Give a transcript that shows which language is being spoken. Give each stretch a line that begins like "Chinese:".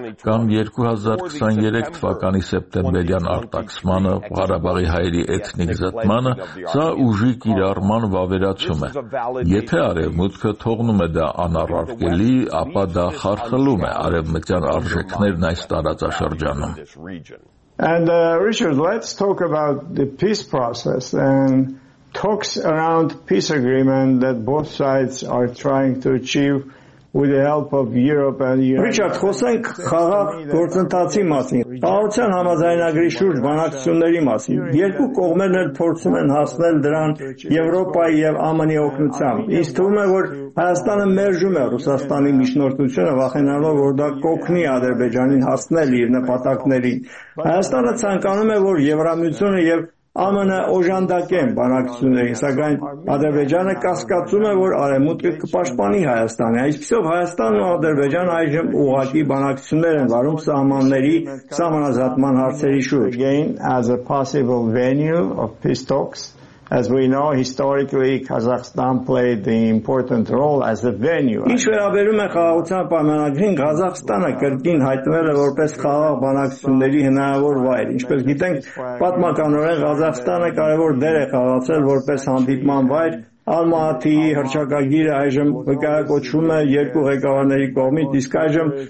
Armenian: կամ 2023 թվականի սեպտեմբերյան արտաքսմանը, Ղարաբաղի հայերի էթնիկ զտմանը, սա ուժի կիրառման վավերացում է։ Եթե Արևմուտքը թողնում է դա անառարկելի, ապա դա խարխլում է Արևմտյան արժեքներն այս տարածաշրջանում։
English: And Richard, let's talk about the peace process and talks around peace agreement that both sides are trying to achieve with the help of Europe and the United States.
Armenian: Richard, խոսենք խաղաղ գործընթացի մասին, պարտության համաձայնագրի շուրջ բանակցությունների մասին։ Երկու կողմերն էլ փորձում են հասնել դրան Եվրոպայի և ԱՄՆ-ի օգնությամբ։ Ինձ թվում է, որ Հայաստանը մերժում է Ռուսաստանի միջնորդությունը, վախենալով, որ դա կօգնի Ադրբեջանին հասնել իր նպատակներին։ Հայաստանը ցանկանում է, որ Եվրամիությունը և ԱՄՆ-ը օժանդակեն բանակցություններին, սակայն Ադրբեջանը կասկածում է, որ Արևմուտքը կպաշտպանի Հայաստանը։ Այսպիսով Հայաստանն ու Ադրբեջանը այժմ ուղղակի բանակցություններ են վարում սահմանների սահմանազատման հարցերի շուրջ։
English: Again, as a possible venue of peace talks, as we know historically Kazakhstan played the important role as a venue.
Armenian: Ինչ վերաբերում է խաղաղության պայմանագրին, Ղազախստանը կրկին հայտնվել է որպես խաղաղ բանակցությունների հնարավոր վայր։ Ինչպես գիտենք, պատմականորեն Ղազախստանը կարևոր դեր է խաղացել որպես հանդիպման վայր Ալմաատիի հռչակագիրը այժմ վկայակոչվում է երկու ղեկավարների կողմից, իսկ այժմ